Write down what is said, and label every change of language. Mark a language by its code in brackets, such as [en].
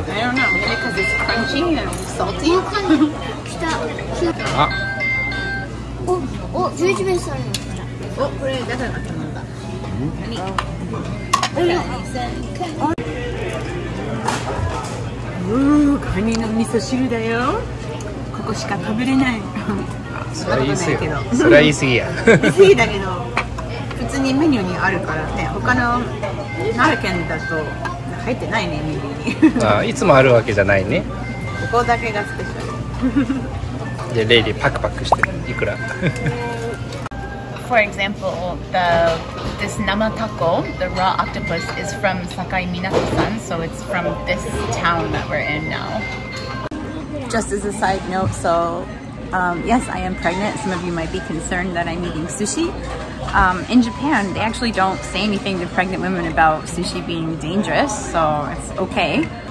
[en] I don't know, because it's crunchy and salty. [ja] あ。お、11名さんの。お、これ誰が頼んだ？カニ。うん、カニの味噌汁だよ。ここしか食べれない。それは言い過ぎ。それは言い過ぎや。言い過ぎだけど。普通にメニューにあるからね、他の奈良県だと入ってないね、メニューに。ああ、いつもあるわけじゃないね。ここだけがスペシャル。で、レイリーパクパクしてる、いくら。 [en] For example, this namatako, the raw octopus, is from Sakai-minato-san, so it's from this town that we're in now. Just as a side note, so yes, I am pregnant. Some of you might be concerned that I'm eating sushi. In Japan, they actually don't say anything to pregnant women about sushi being dangerous, so it's okay.